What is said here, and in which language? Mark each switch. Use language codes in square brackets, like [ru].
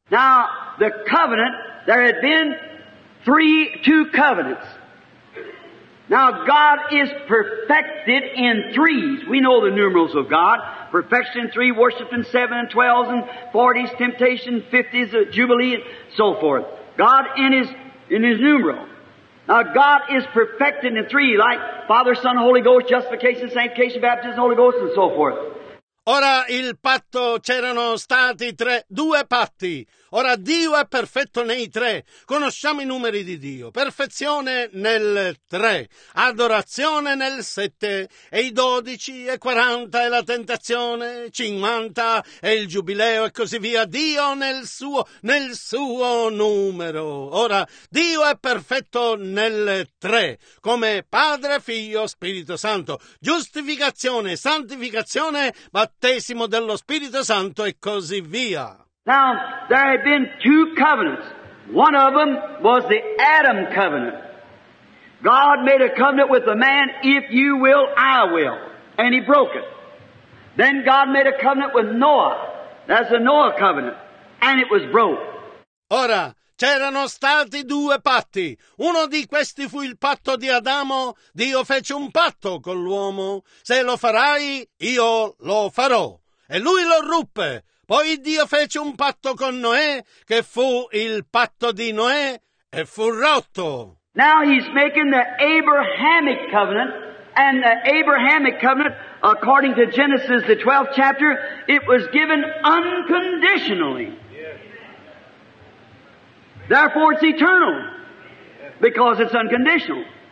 [en] Now, the covenant, there had been two covenants. Now God is perfected in threes. We know the numerals of God. Perfection, three, worship in seven and twelves and forties, temptation, fifties, jubilee, and so forth. God in his numeral. Now God is perfected in three, like Father, Son, Holy Ghost, justification, sanctification, baptism, Holy Ghost, and so forth. [it] Ora il patto, c'erano stati tre, due patti. Ora Dio è perfetto nei tre. Conosciamo i numeri di Dio. Perfezione nel tre. Adorazione nel sette. E i dodici e quaranta e la tentazione. Cinquanta e il giubileo e così via. Dio nel suo numero. Ora Dio è perfetto nel tre. Come Padre, Figlio, Spirito Santo. Giustificazione, santificazione, battesimo dello Spirito Santo e così via. [en] Now, there had been two covenants. One of them was the Adam covenant. God made a covenant with the man, if you will, I will. And he broke it. Then God made a covenant with Noah. That's the Noah covenant. And it was broke. [it] Ora, c'erano stati due patti. Uno di questi fu il patto di Adamo. Dio fece un patto con l'uomo. Se lo farai, io lo farò. E lui lo ruppe. Poi Dio fece un patto con Noè, che fu il patto di Noè, e fu rotto. [en] Now he's making the Abrahamic covenant, and the Abrahamic covenant, according to Genesis, the 12th chapter, it was given unconditionally. Therefore it's eternal, because it's unconditional.